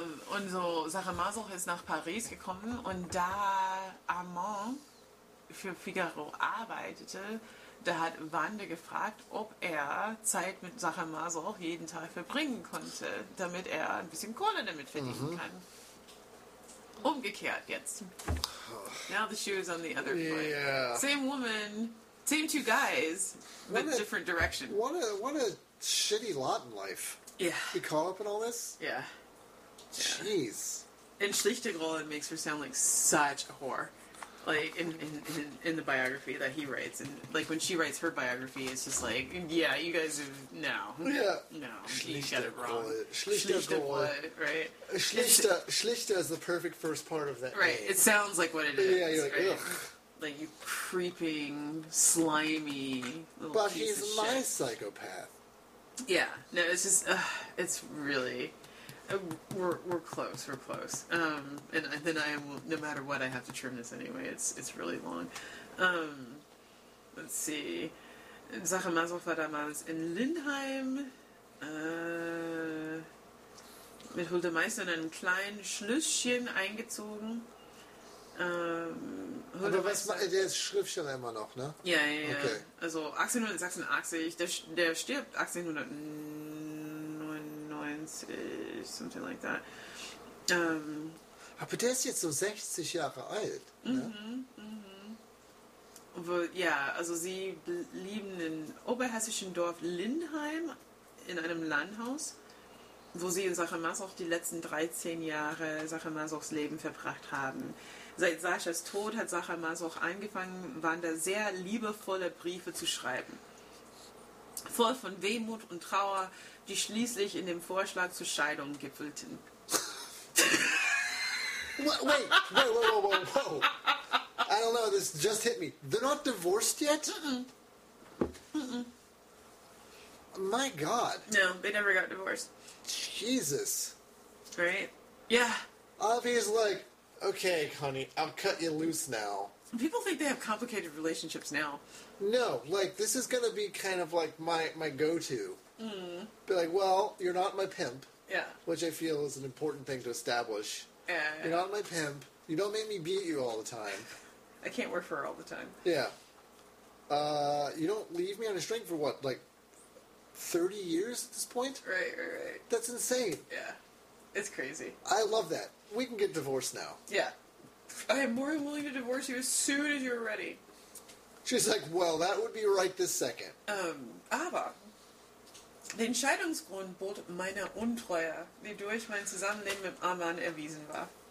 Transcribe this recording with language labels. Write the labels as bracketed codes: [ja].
[de] Und so Sacher Masoch ist nach Paris gekommen und da Armand für Figaro arbeitete, da hat Wande gefragt, ob er Zeit mit Sacher Maso auch jeden Tag verbringen konnte, damit er ein bisschen Kohle damit verdienen mhm. kann. Umgekehrt jetzt. [en] Now the shoe is on the other foot. Yeah. Same woman, same two guys, but what a, different direction. What a shitty lot in life. Yeah. Be caught up in all this? Yeah. Jeez. In Schlichtegroll, it makes her sound like such a whore. Like, in the biography that he writes. And, like, when she writes her biography, it's just like, yeah, you guys have, no. Yeah. No, you got it wrong. Schlichtegroll. Right? Schlichter is the perfect first part of that name. Right, it sounds like what it is. Yeah, you're like, right? Ugh. Like, you creeping, slimy little but piece he's of my shit. Psychopath. Yeah, no, it's just, it's really... We're close. No matter what, I have to trim this anyway. It's really long. Let's see. [de] Sache Masel war damals in Lindheim mit Hulda Meister in ein kleines Schlüsschen eingezogen. Aber was Meister, der ist Schriftsteller immer noch, ne? Ja, ja, ja. Okay. Also 1886, der stirbt 1899, [en] something like that. [de] Aber der ist jetzt so 60 Jahre alt. Mhm, mhm. Ja, also sie leben im oberhessischen Dorf Lindheim in einem Landhaus, wo sie in Sache Masoch die letzten 13 Jahre Sache Masochs Leben verbracht haben. Seit Saschas Tod hat Sache Masoch angefangen, Wanda sehr liebevolle Briefe zu schreiben. Voll von Wehmut und Trauer, die schließlich in dem Vorschlag zur Scheidung gipfelten. [en] Wait, whoa. I don't know, this just hit me. They're not divorced yet? Mm-mm. My God. No, they never got divorced. Jesus. Right? Yeah. Avi's like, okay, honey, I'll cut you loose now. People think they have complicated relationships now. No, like, this is going to be kind of like my go-to. Mm. Be like, well, you're not my pimp. Yeah. Which I feel is an important thing to establish. Yeah. You're not my pimp. You don't make me beat you all the time. I can't work for her all the time. Yeah. You don't leave me on a string for what, like, 30 years at this point? Right. That's insane. Yeah. It's crazy. I love that. We can get divorced now. Yeah. I am more than willing to divorce you as soon as you're ready. She's like, well, that would be right this second. [de] Aber, den Scheidungsgrund bot meiner Untreue, die durch mein Zusammenleben mit Arman erwiesen war.